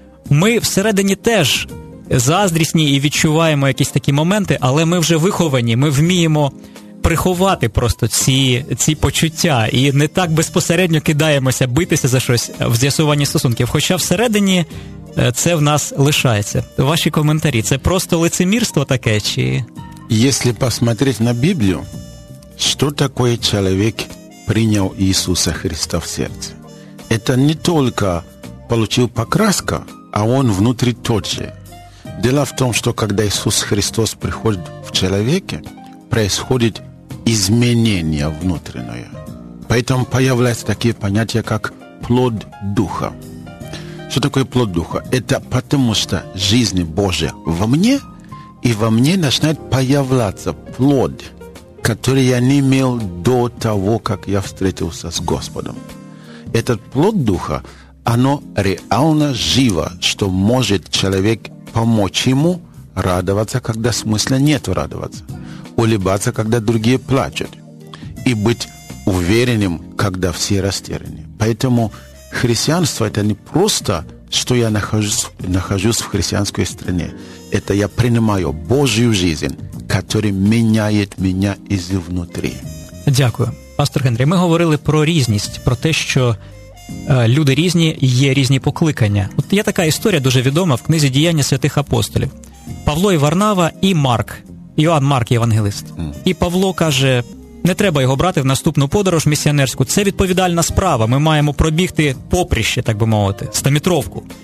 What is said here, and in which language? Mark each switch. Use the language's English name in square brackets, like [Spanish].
[Ukrainian] Ми всередині теж заздрісні і відчуваємо якісь такі моменти, але ми вже виховані, ми вміємо приховати просто ці почуття і не так безпосередньо кидаємося битися за щось в з'ясуванні стосунків. Хоча всередині це в нас лишається. Ваші коментарі, це просто лицемірство таке? Чи... Якщо подивитися на Біблію, що таке чоловік... [Russian] принял Иисуса Христа в сердце. Это не только получил покраска, а он внутри тот же. Дело в том, что когда Иисус Христос приходит в человеке, происходит изменение внутреннее. Поэтому появляются такие понятия, как плод Духа. Что такое плод Духа? Это потому что жизнь Божия во мне, и во мне начинает появляться плод, который я не имел до того, как я встретился с Господом. Этот плод Духа, оно реально живо, что может человек помочь ему радоваться, когда смысла нет радоваться, улыбаться, когда другие плачут, и быть уверенным, когда все растеряны. Поэтому христианство – это не просто, что я нахожусь в христианской стране. Это я принимаю Божью жизнь, который меняет меня изнутри. [Ukrainian] Дякую. Пастор Генрі, ми говорили про різність, про те, що люди різні, є різні покликання. От є така історія дуже відома в книзі «Діяння святих апостолів». Павло і Варнава, і Марк, Іоанн Марк, євангелист. І Павло каже, не треба його брати в наступну подорож місіонерську, це відповідальна справа, ми маємо пробігти попріще, так би мовити, стометровку.